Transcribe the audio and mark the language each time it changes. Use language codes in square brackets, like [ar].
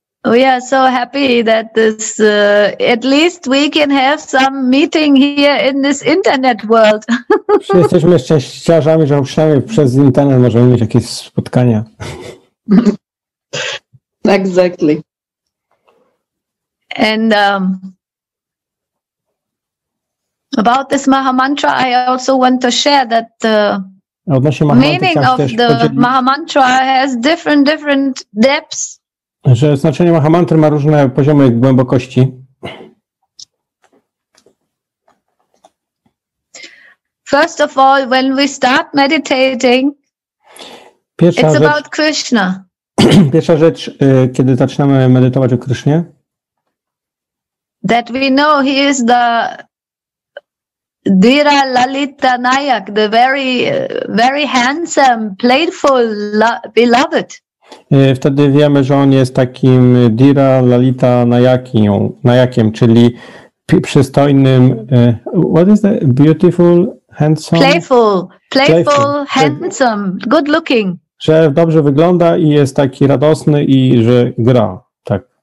[en] We are so happy that this at least we can have some meeting here in this internet world. [pl] Jesteśmy szczęściarzami, że przynajmniej przez internet możemy mieć jakieś spotkania. [en] Exactly. And about this Maha Mantra, I also want to share that the meaning of the Maha Mantra has different depths. [pl] Że znaczenie Maha Mantry ma różne poziomy głębokości. [en] First of all, when we start meditating, about Krishna. [pl] Pierwsza rzecz, kiedy zaczynamy medytować o Krysznie. [en] That we know he is the Dira Lalita Nayak, the very, very handsome, playful, beloved. [pl] Wtedy wiemy, że on jest takim Dira Lalita Nayakiem, czyli przystojnym. [en] What is that? Beautiful, handsome. Playful, handsome, good looking. [pl] Że dobrze wygląda i jest taki radosny i że gra, tak.